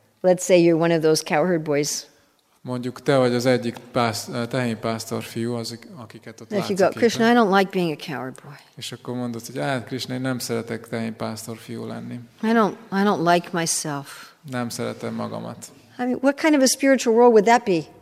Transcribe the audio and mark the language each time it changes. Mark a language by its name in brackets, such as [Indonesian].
[English] Let's say you're one of those cowherd boys. [Hungarian] Mondjuk te vagy az egyik tehénpásztor fiú, akiket ott látszik. [English] If you go, Krishna, I don't like being a coward boy. [Hungarian] És akkor mondod, hogy hát Krishna, én nem szeretek tehénpásztor fiú lenni. [English] I don't like myself. [Hungarian] Nem szeretem magamat. [English] I mean, what kind of a spiritual world would that be?